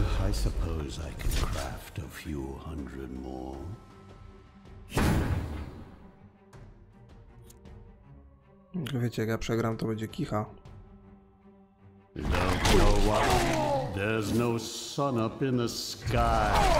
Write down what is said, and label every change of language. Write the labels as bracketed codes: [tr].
[en] I suppose I can craft a few hundred more. [pl] Wiecie, jak ja przegram, to będzie kicha. [en] Don't know why. There's no sun up in the sky.